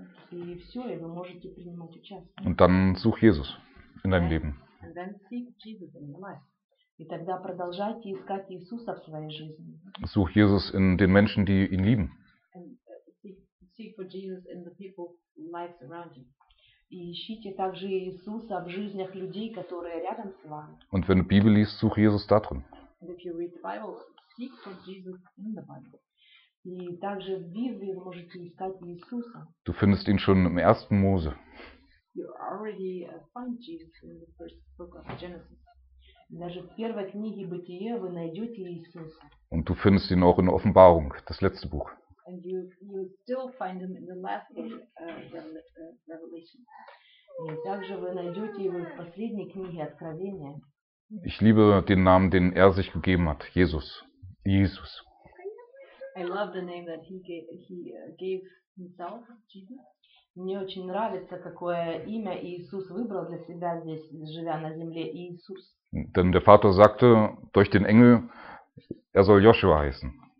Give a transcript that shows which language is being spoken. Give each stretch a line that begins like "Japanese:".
Russian: И все, и вы можете принимать участие.
German: Und dann such Jesus in deinem Leben.
English: And then seek Jesus in your life.
Russian: И тогда продолжайте искать Иисуса в своей жизни.
German: Such Jesus in den Menschen, die ihn lieben.
English: Seek for Jesus in the people's lives around you.
Russian: И ищите также Иисуса в жизнях людей, которые рядом с вами.
German: Und wenn du Bibel liest, such Jesus da drin.
English: And if you read the Bible, seek for Jesus in the Bible.
Russian: И также в Библии вы можете искать Иисуса.
German: Du findest ihn schon im ersten Mose.
English: You already find Jesus in the first book of Genesis.
Russian: Даже в первой книге Бытия вы найдете Иисуса.
German: Und du findest ihn auch in der Offenbarung, das letzte Buch.
English: And you still find him in the last book, Revelation.
Russian: И также вы найдете его в последней книге Откровения.
German: Ich liebe den Namen, den sich gegeben hat, Jesus.
English: Jesus. I love the name that he gave himself, Jesus.
Russian: Мне очень нравится, какое имя Иисус выбрал для себя здесь, живя на земле, Иисус.
German: Denn der Vater sagte durch den Engel, soll Joshua heißen.